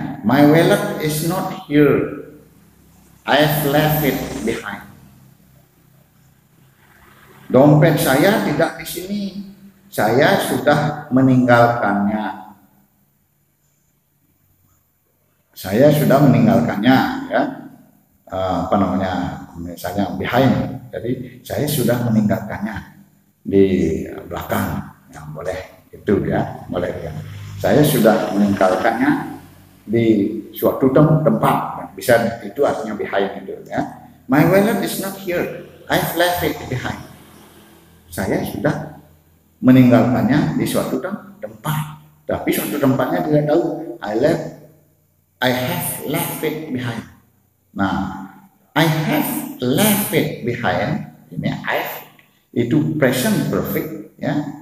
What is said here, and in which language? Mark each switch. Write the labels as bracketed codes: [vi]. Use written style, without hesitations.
[en] My wallet is not here, I've left it behind. [id] Dompet saya tidak di sini, saya sudah meninggalkannya. Saya sudah meninggalkannya, ya, apa namanya, misalnya behind. Jadi saya sudah meninggalkannya di belakang, yang boleh itu ya, boleh ya. Saya sudah meninggalkannya di suatu tempat, bisa itu artinya behind itu ya. [en] My wallet is not here, I've left it behind. [id] Saya sudah meninggalkannya di suatu tempat, tapi suatu tempatnya tidak tahu. [en] I have left it behind. Nah, I have left it behind. [id] Ini I've, itu present perfect ya.